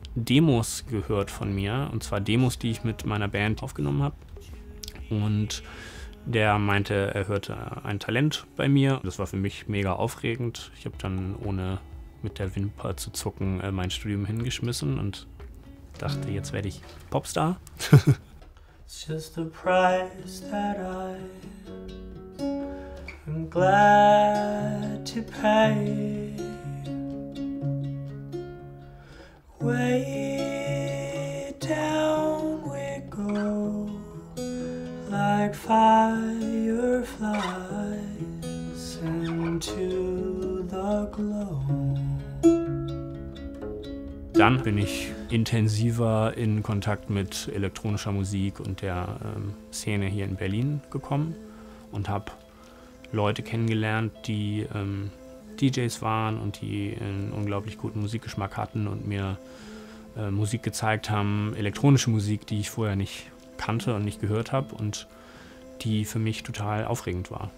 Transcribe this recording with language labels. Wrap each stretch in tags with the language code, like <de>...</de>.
<de>Demos gehört von mir, und zwar Demos, die ich mit meiner Band aufgenommen habe. Und der meinte, er hörte ein Talent bei mir. Das war für mich mega aufregend. Ich habe dann, ohne mit der Wimper zu zucken, mein Studium hingeschmissen und dachte, jetzt werde ich Popstar.</de> <en>It's just the price that I am glad to pay. Way down we go, like fireflies into the glow.</en> <de>Dann bin ich intensiver in Kontakt mit elektronischer Musik und der Szene hier in Berlin gekommen und habe Leute kennengelernt, die DJs waren und die einen unglaublich guten Musikgeschmack hatten und mir Musik gezeigt haben, elektronische Musik, die ich vorher nicht kannte und nicht gehört habe und die für mich total aufregend war.</de>